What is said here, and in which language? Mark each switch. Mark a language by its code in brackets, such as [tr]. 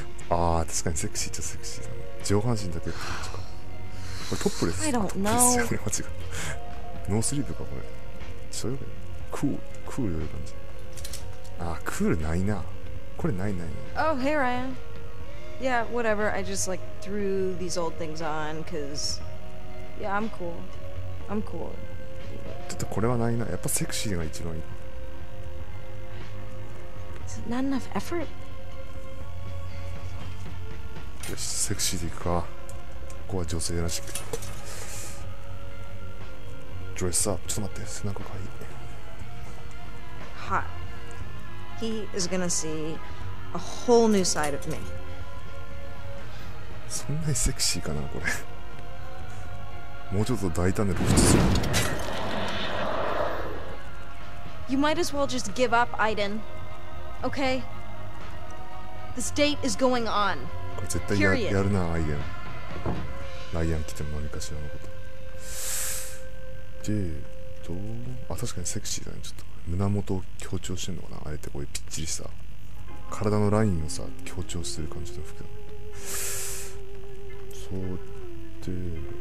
[ja] ああ、確かにセクシーじゃセクシーだね。上半身だけって感じか。これトップレス、トップレスよね、間違う、ノースリーブか、これそういうわけだ、クール、クールという感じ、あー、クールないな、これないないない、 [en] Oh, hey, Ryan. Yeah, whatever, I just like threw these old things on, cause yeah, I'm cool, I'm cool. [ja] ちょっとこれはないな、やっぱセクシーが一番いい、 [en] Is it not enough effort? [ja] よし、セクシーでいくか、ここは女性らしく。ドレスアップ。ちょっと待って、背中かわいい。 [en] Hot. He is gonna see a whole new side of me. [ja] そんなにセクシーかな、これ。もうちょっと大胆で露出する。 [en] You might as well just give up, Aiden. Okay? This date is going on. [ja] これ絶対やるな、アイデン。ライアン来ても何かしらのことで、あ、確かにセクシーだね、ちょっと胸元を強調してんのかな、あえてこういうピッチリさ、体のラインをさ強調してる感じの服だ、そうで、ん、